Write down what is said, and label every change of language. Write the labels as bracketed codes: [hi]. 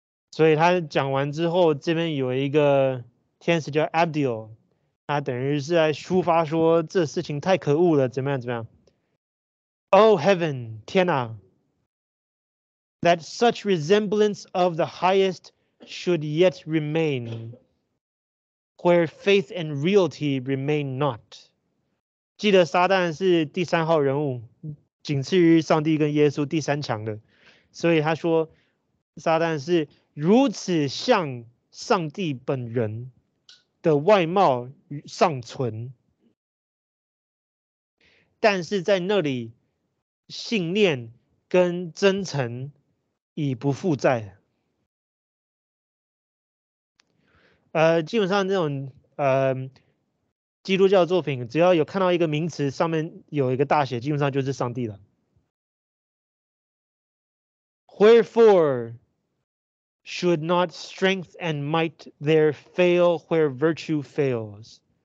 [zh] 所以他讲完之后，这边有一个天使叫 Abdiel， 他等于是在抒发说这事情太可恶了，怎么样怎么样。 [en] Oh heaven， [zh] 天哪！ [en] That such resemblance of the highest should yet remain, where faith and reality remain not。 [zh] 记得撒旦是第三号人物，仅次于上帝跟耶稣第三强的，所以他说撒旦是如此像上帝本人的外貌尚存，但是在那里。信念跟真诚已不复在。基本上这种基督教作品，只要有看到一个名词上面有一个大写，基本上就是上帝了。 [en] Wherefore should not strength and might there fail where virtue fails?